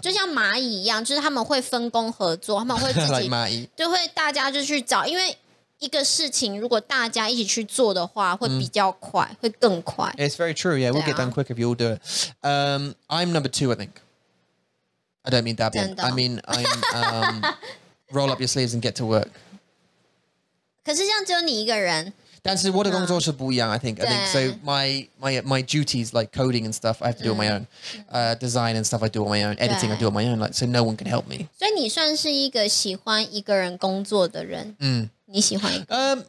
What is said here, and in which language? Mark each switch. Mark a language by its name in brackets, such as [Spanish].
[Chinese] 就像蚂蚁一样 就是他们会分工合作 他们会自己 like 蚂蚁就会大家就去找 因为 一个事情如果大家一起去做的话会比较快 会更快 [English] It's very true, yeah. We'll get done quick if you all do it. I'm number two, I think. I don't mean dabbing. I mean, I'm roll up your sleeves and get to work. [Chinese] 可是这样只有你一个人但是我的工作是不一样, [English] I think. I think so my duties like coding and stuff, I have to do on my own. Design and stuff, I do on my own. Editing, I do on my own. Like, so no one can help me. [Chinese] 所以你算是一个喜欢一个人工作的人 你喜欢一个?